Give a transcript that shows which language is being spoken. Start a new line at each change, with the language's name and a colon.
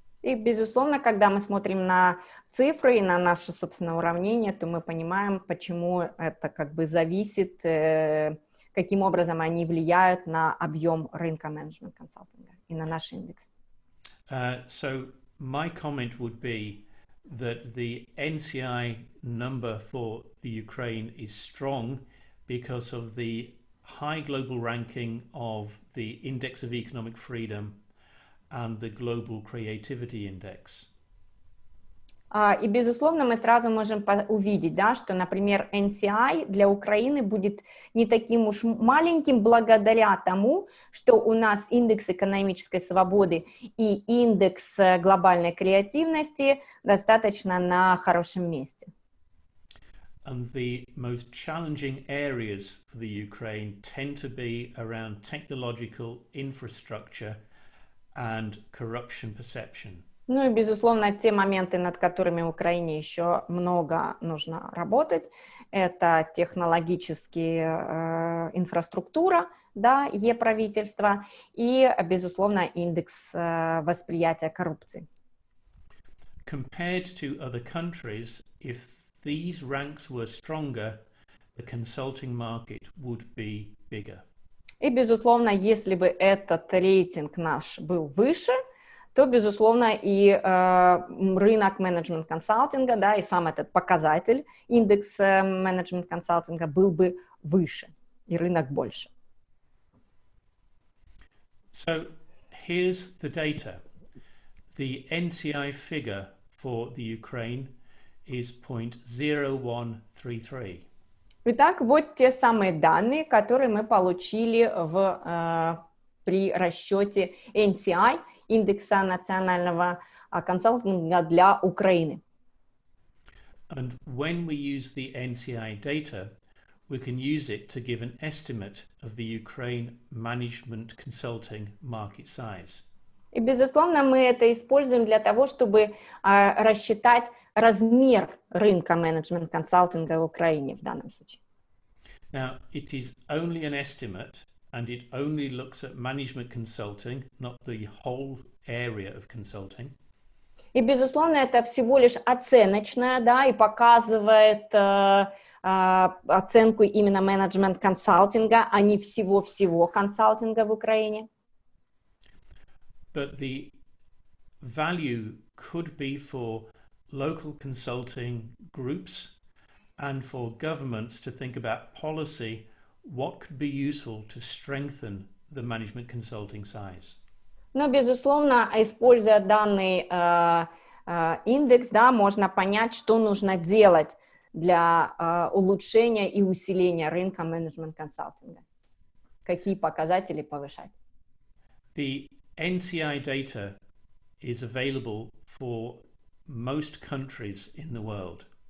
Russian: И, безусловно, когда мы смотрим на цифры и на наше собственное уравнение, то мы понимаем, почему это как бы зависит, каким образом они влияют на объем рынка менеджмент консалтинга и на наш индекс.
English: So my comment would be that the NCI number for the Ukraine is strong because of the high global ranking of the Index of Economic Freedom and the Global Creativity Index.
Russian: И безусловно, мы сразу можем увидеть, да, что, например, NCI для Украины будет не таким уж маленьким благодаря тому, что у нас индекс экономической свободы и индекс глобальной креативности достаточно на хорошем месте.
English: And the most challenging areas for the Ukraine tend to be around technological infrastructure and corruption perception.
Russian: Ну и, безусловно, те моменты, над которыми в Украине еще много нужно работать, это технологические инфраструктура, да, е-правительство и, безусловно, индекс восприятия коррупции.
English: Compared to other countries, if these ranks were stronger, the consulting market would be bigger.
Russian: И, безусловно, если бы этот рейтинг наш был выше, то, безусловно, и рынок менеджмент консалтинга, да, и сам этот показатель, индекс менеджмент консалтинга, был бы выше, и рынок больше.
English: So, here's the data. The NCI figure for the Ukraine is 0.0133.
Russian: Итак, вот те самые данные, которые мы получили в, при расчете NCI, индекса национального консалтинга для Украины.
English: And when we use the NCI data, we can use it to give an estimate of the Ukraine management consulting market size.
Russian: И, безусловно, мы это используем для того, чтобы рассчитать размер рынка менеджмент консалтинга в Украине в данном случае.
English: Now, it is only an estimate, and it only looks at management consulting, not the whole area of consulting.
Russian: И, безусловно, это всего лишь оценочное, да, и показывает оценку именно менеджмент консалтинга, а не всего-всего консалтинга в Украине.
English: But the value could be for local consulting groups and for governments to think about policy, what could be useful to strengthen the management consulting size?
Russian: Ну, безусловно, используя
Ukrainian: даний індекс,
Russian: да,
Ukrainian: можна
Russian: понять,
Ukrainian: що
Russian: нужно делать для улучшения
Ukrainian: і
Russian: усиления
Ukrainian: ринка
Russian: менеджмент консалтинга. Какие показатели повышать?
English: The NCI data is available for most countries in the world.